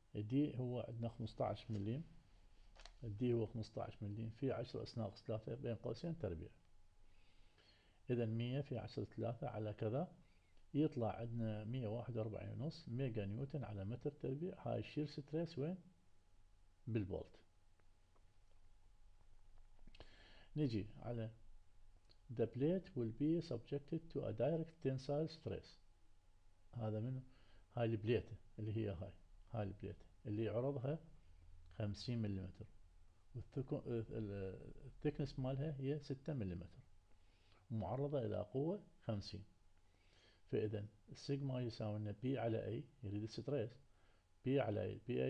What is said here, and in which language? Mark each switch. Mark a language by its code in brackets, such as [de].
[ar] الدي هو عندنا 15 مليم. الدي هو 15 مليم في 10^3 بين قوسين تربيع. إذا 100 × 10^3 على كذا يطلع عندنا 141.5 ميجا نيوتن على متر تربيع. هاي الشير ستريس وين؟ بالبولت. نجي على [en] the plate will be subjected to a direct tensile stress. [ar] هذا منه هاي البليتة اللي هي هاي البليتة اللي عرضها 50 مليمتر والثيكنس مالها هي 6 مليمتر ومعرضة إلى قوة 50. فإذا السيجما يساوي لنا بي على اي. يريد الستريس بي على اي.